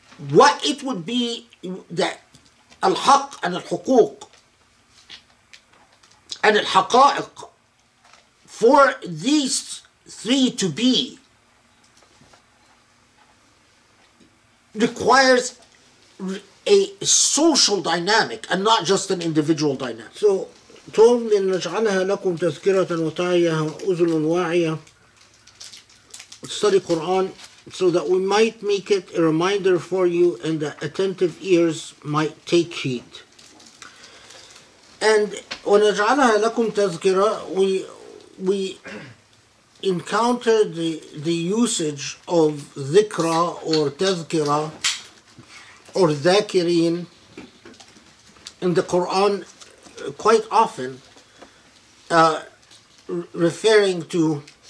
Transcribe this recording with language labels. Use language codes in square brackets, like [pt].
[en] What it would be that Al-Haqq and Al-Huquq and Al-Haqa'iq, for these three to be, requires a social dynamic and not just an individual dynamic. So, told me, [ar] نجعلها لكم تذكرة وتعية أذن واعية. [en] Study Quran so that we might make it a reminder for you and the attentive ears might take heed. And [ar] ونجعلها لكم تذكرة, [en] we encounter the usage of ذكرى or تذكرة or ذاكرين in the Quran quite often, referring to